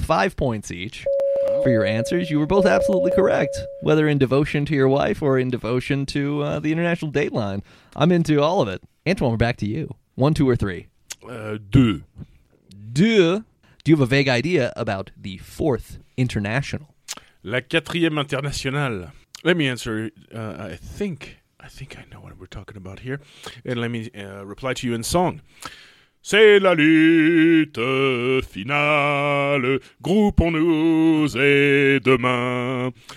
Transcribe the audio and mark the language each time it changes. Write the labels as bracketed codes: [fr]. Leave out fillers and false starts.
[en] 5 points each for your answers. You were both absolutely correct, whether in devotion to your wife or in devotion to the international dateline. I'm into all of it. Antoine, we're back to you. One, two, or three? [fr] Deux. [en] Do you have a vague idea about the fourth international? [fr] La quatrième internationale. [en] Let me answer. I think I know what we're talking about here. And let me reply to you in song. [fr] C'est la lutte finale. Groupons-nous et demain.